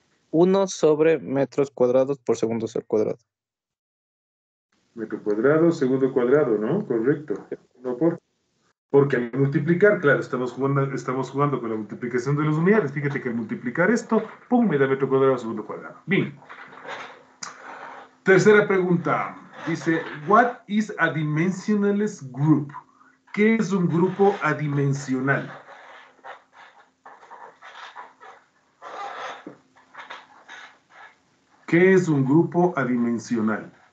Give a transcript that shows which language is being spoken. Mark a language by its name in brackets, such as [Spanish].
[Spanish] 1 sobre metros cuadrados por segundo cuadrado. Metro cuadrado, segundo cuadrado, ¿no? Correcto. No por. Porque al multiplicar, claro, estamos jugando con la multiplicación de las unidades. Fíjate que al multiplicar esto, ¡pum!, me da metro cuadrado, segundo cuadrado. Bien. Tercera pregunta. [English] Dice, what is a dimensionless group? [Spanish] ¿Qué es un grupo adimensional? ¿Qué es un grupo adimensional?